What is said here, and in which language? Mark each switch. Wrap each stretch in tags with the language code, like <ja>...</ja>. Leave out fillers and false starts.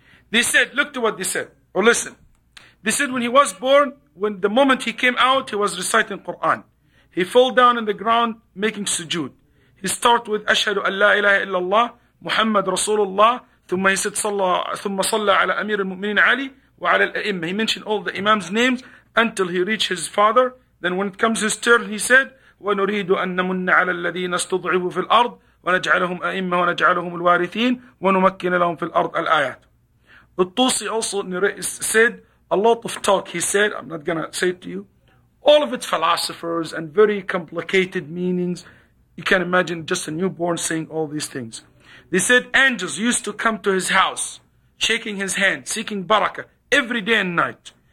<en>They said, look to what they said, or listen. They said when he was born, when the moment he came out, he was reciting Quran. He fell down on the ground, making sujood. He started with,</en> <ar>Ashhadu an la ilaha illallah, Muhammad Rasulullah, thumma</ar> <en>he said,</en> <ar>thumma salla ala amir al-mu'minin Ali, wa ala al-a'imma.</ar> <en>He mentioned all the imam's names until he reached his father. Then when it comes his turn, he said,</en> <ar>ونريد أن نمن على الذين استضعفوا في الأرض ونجعلهم أئمة ونجعلهم الوارثين ونمكن لهم في الأرض الآيات.</ar> <en>الطوسي also said a lot of talk. He said, I'm not gonna say it to you. All of its philosophers and very complicated meanings. You can imagine just a newborn saying all these things. They said angels used to come to his house, shaking his hand, seeking barakah every day and night.</en>